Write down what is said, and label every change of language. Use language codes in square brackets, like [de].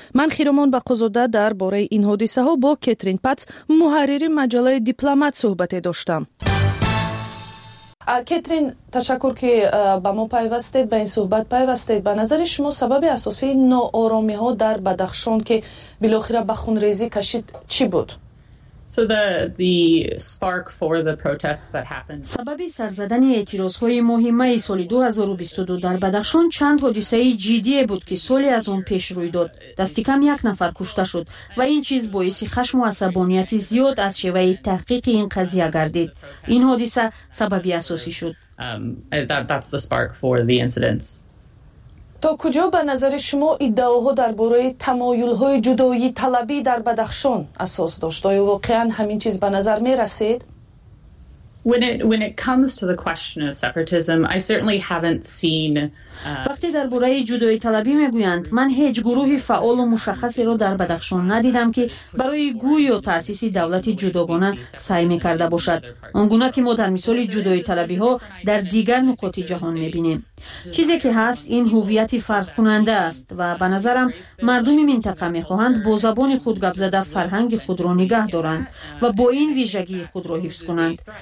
[fa] من خیرمان بقازاده در باره این حادثه ها با کترین پتس، محرر مجله دیپلمات، صحبت داشتم. کترین، تشکر که با ما پیوستید، با این صحبت پیوستید. به نظر شما سبب اساسی ناآرامی ها در بدخشان که بالاخره به خون ریزی کشید چی بود؟ [en] So the spark for the protests that happened. [fa] سبب سرزدن اعتراض های مهمه سال 2022 در بدخشان چند حادثه جدی بود که سالی از اون پیش روی داد. دست کم یک نفر کشته شد و این چیز باعث خشم و عصبانیت زیاد از شیوه تحقیق این قضیه گردید. این حادثه سبب اساسی شد. [en] That's the spark for the incidents. [fa] تا کجا به نظر شما ادعاها درباره تمایل های جدایی طلبی در بدخشان اساس داشت؟ آیا واقعا همین چیز به نظر می رسید؟ [en] When it comes to the question of separatism, I certainly haven't seen [fa] وقتی درباره جدایی طلبی میگویند من هیچ گروهی فعال و مشخصی را در بدخشان ندیدم که برای گویی و تاسیس دولت جداگانه سعی میکرده باشد. آنگونه که ما در مثال جدایی طلبی ها در دیگر نقاط جهان میبینیم. چیزی که هست این هویت فرق کننده است و به نظرم مردم منطقه میخواهند با زبان خود گپ زده فرهنگ خود را نگه دارند و با این ویژگی خود را حفظ کنند.